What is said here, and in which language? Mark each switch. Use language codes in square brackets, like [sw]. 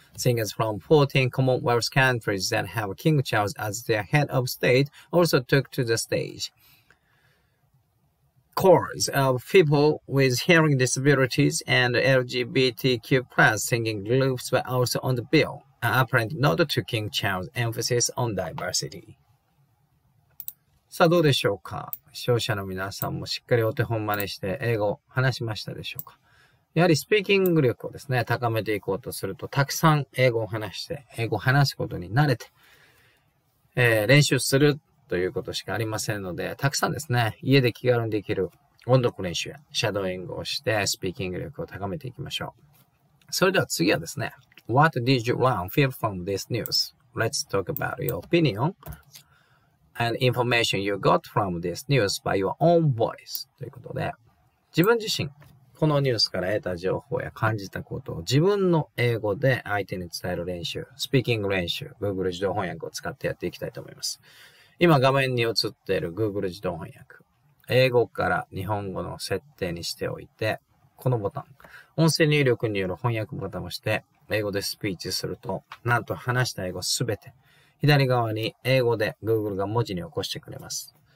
[en] Singers from 14 Commonwealth countries that have King Charles as their head of state also took to the stage. Chorus of people with hearing disabilities and LGBTQ plus singing groups were also on the bill, an apparent nod to King Charles' emphasis on diversity. [ja] さあどうでしょうか。視聴者の皆さんもしっかりお手本真似して英語を話しましたでしょうか。やはりスピーキング力をですね、高めていこうとすると、たくさん英語を話して、英語を話すことに慣れて、練習するということしかありませんので、たくさんですね、家で気軽にできる音読練習や、シャドーイングをして、スピーキング力を高めていきましょう。それでは次はですね、 [en] What did you learn feel from this news? Let's talk about your opinion and information you got from this news by your own voice. [ja] ということで、自分自身、このニュースから得た情報や感じたことを自分の英語で相手に伝える練習、スピーキング練習、Google 自動翻訳を使ってやっていきたいと思います。今画面に映っている Google 自動翻訳、英語から日本語の設定にしておいて、このボタン、音声入力による翻訳ボタンを押して、英語でスピーチすると、なんと話した英語すべて、左側に英語で Google が文字に起こしてくれます。